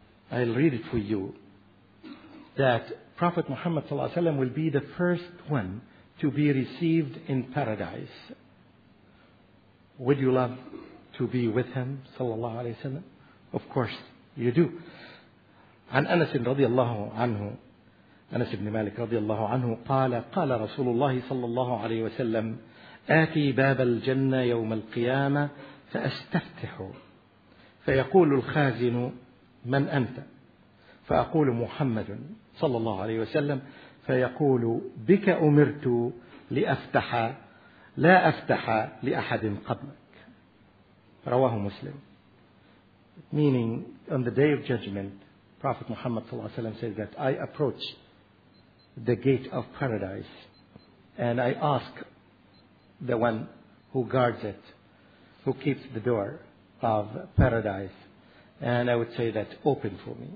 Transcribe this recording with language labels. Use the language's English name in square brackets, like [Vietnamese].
[English] I'll read it for you. That Prophet Muhammad sallallahu alaihi wasallam will be the first one to be received in paradise. Would you love to be with him, sallallahu alaihi wasallam? Of course you do. [Arabic] An Anas radiyallahu anhu, Anas ibn Malik radiyallahu anhu, qala Rasulullah sallallahu alaihi wasallam, آتي باب الجنة يوم القيامة فأستفتح فيقول الخازن من أنت فأقول محمد صلى الله عليه وسلم فيقول بك أمرت لأفتح لا أفتح لأحد قبلك رواه مسلم. [English] Meaning on the day of judgment, Prophet Muhammad صلى الله عليه وسلم said that I approach the gate of paradise and I ask the one who guards it, who keeps the door of paradise, and I would say that open for me.